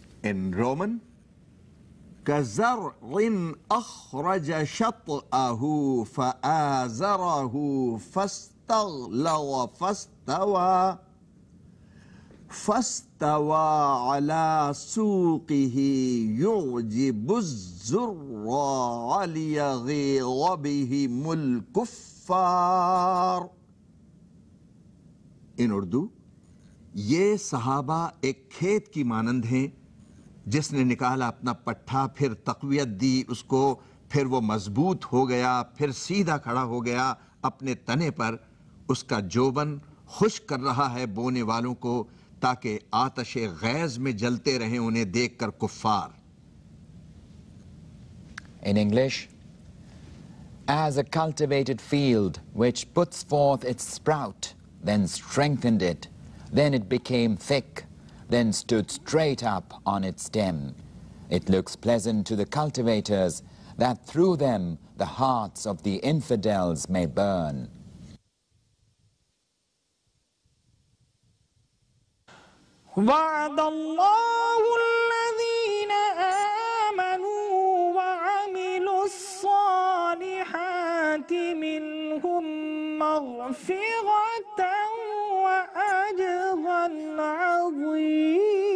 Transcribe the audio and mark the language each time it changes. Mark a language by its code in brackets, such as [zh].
[en] In Roman, [ar] كزرع أخرج شطأه فآزره فاستغلظ فاستوى فاستوى على سوقه يعجب الزرع ليغيظ بهم الكفار. [en] in Urdu, [ur] یہ صحابہ ایک کھیت کی مانند ہیں جس نے نکالا اپنا پٹھا، پھر تقویت دی اس کو، پھر وہ مضبوط ہو گیا، پھر سیدھا کھڑا ہو گیا اپنے تنے پر. اس کا جوبن خشک کر رہا ہے بونے والوں کو تاکہ آتش غیظ میں جلتے رہیں انہیں دیکھ کر کفار. [en] In English, as a cultivated field which puts forth its sprout, then strengthened it, then it became thick, then stood straight up on its stem. It looks pleasant to the cultivators that through them the hearts of the infidels may burn. [ar] وعد الله الذين آمنوا وعملوا الصالحات منهم مغفرة وأجرا عظيما.